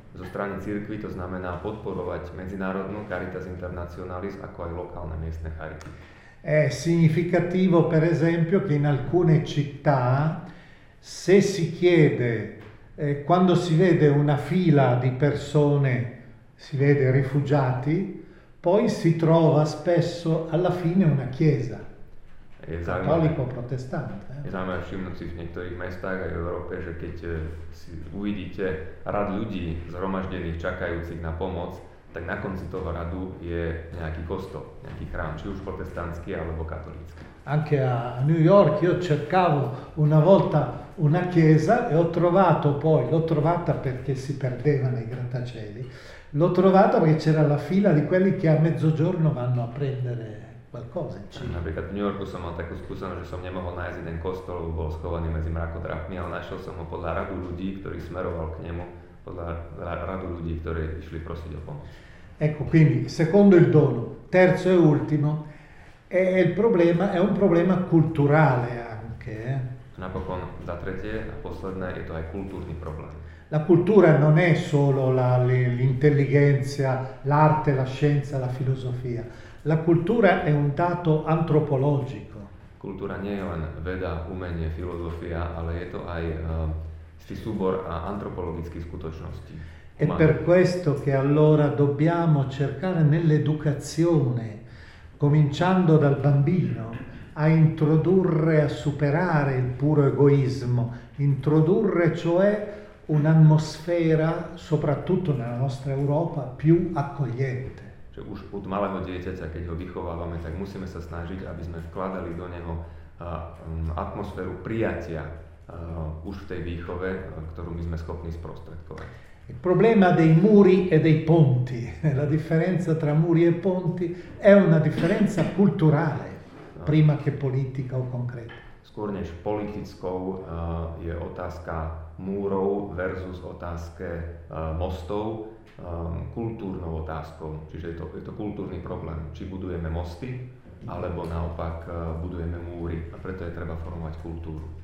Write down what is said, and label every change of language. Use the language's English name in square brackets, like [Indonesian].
[Slovak] Zo strany cirkvi to znamená podporovať medzinárodnú caritas internationalis ako aj lokálne miestne charity. [Italian] È significativo, per esempio, che in alcune città, se si chiede, quando si vede una fila di persone, si vede rifugiati, poi si trova spesso alla fine una chiesa, cattolico o protestante. [Slovak] Je zaujímavé všimnúť si v niektorých mestách aj v Európe, že keď si uvidíte rad ľudí zhromaždených, čakajúcich na pomoc, tak na konci toho radu je nejaký kostol, nejaký chrám, či už protestantský alebo katolícky. [Italian] Anche a New York io cercavo una volta una chiesa e ho trovato poi, l'ho trovata perché si perdeva nei grattacieli, l'ho trovata perché c'era la fila di quelli che a mezzogiorno vanno a prendere qualcosa. [Slovak] Napríklad v New Yorku som mal takú skúsenosť, že som nemohol nájsť jeden kostol, lebo bol schovaný medzi mrakodrapmi, ale našiel som ho podľa radu ľudí, ktorý smeroval k nemu. Radu ľudí, ktorí išli prosiť o pomoc. [Italian] Ecco, quindi, secondo il dono, terzo e ultimo, è un problema culturale anche. [Slovak] Napokon, za tretie a posledné, je to aj kultúrny problém. [Italian] La cultura non è solo l'intelligenza, l'arte, la scienza, la filosofia. La cultura è un dato antropologico. [Slovak] Kultúra nie je len veda, umenie, filozofia, ale je to aj súbor a antropologické skutočnosti. [Italian] E per questo che allora dobbiamo cercare nell'educazione, cominciando dal bambino, a introdurre, a superare il puro egoismo, introdurre cioè un'atmosfera, soprattutto nella nostra Europa, più accogliente. [Slovak] Cioè, už od malého dieťaťa, keď ho vychovávame, tak musíme sa snažiť, aby sme vkladali do neho atmosféru prijatia, už v tej výchove, ktorú my sme schopní sprostredkovať. [Italian] Il problema dei muri e dei ponti, la differenza tra muri e ponti è una differenza culturale, prima che politica o concreta. [Slovak] Skôr než politickou je otázka múrov versus otázka mostov, kultúrnou otázkou, čiže je to kultúrny problém, či budujeme mosty, alebo naopak budujeme múry, a preto je treba formovať kultúru.